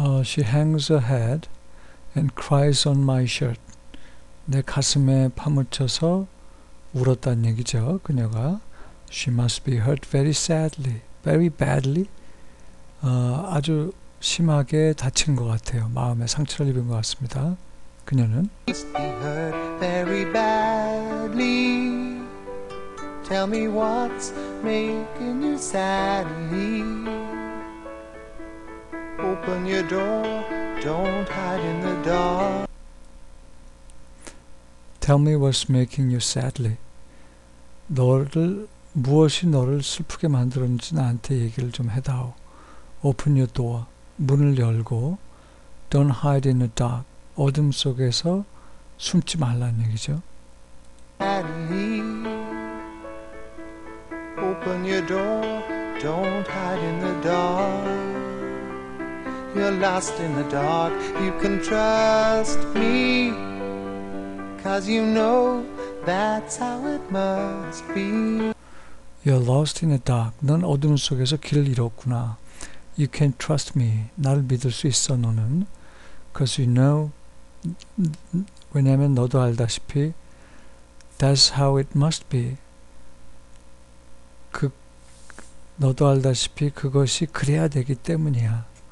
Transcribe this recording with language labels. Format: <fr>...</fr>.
<en>'She hangs her head and cries on my shirt.'</en> <ko>내 가슴에 파묻혀서 울었다는 얘기죠. 그녀가</ko> <en>'She must be hurt very sadly, very badly.'</en> <ko>아주 심하게 다친 것 같아요. 마음에 상처를 입은 것 같습니다. 그녀는</ko> <en>'Must be hurt very badly. Tell me what's making you sadly.' Open your door, don't hide in the dark. Tell me what's making you sadly.</en> <ko>너를 무엇이 너를 슬프게 만들었는지 나한테 얘기를 좀 해다오.</ko> <en>Open your door,</en> <ko>문을 열고.</ko> <en>Don't hide in the dark,</en> <ko>어둠 속에서 숨지 말라는 얘기죠.</ko> <en>Sadly. Open your door, don't hide in the dark. You're lost in the dark, you can trust me. Cause you know that's how it must be. You're lost in the dark,</en> <ko>넌 어둠 속에서 길을 잃었구나.</ko> <en>You can trust me,</en> <ko>나를 믿을 수 있어 너는.</ko> <en>Cause you know,</en> <ko>왜냐면 너도 알다시피</ko> <en>that's how it must be.</en> <ko>너도 알다시피 그것이 그래야 되기 때문이야.</ko>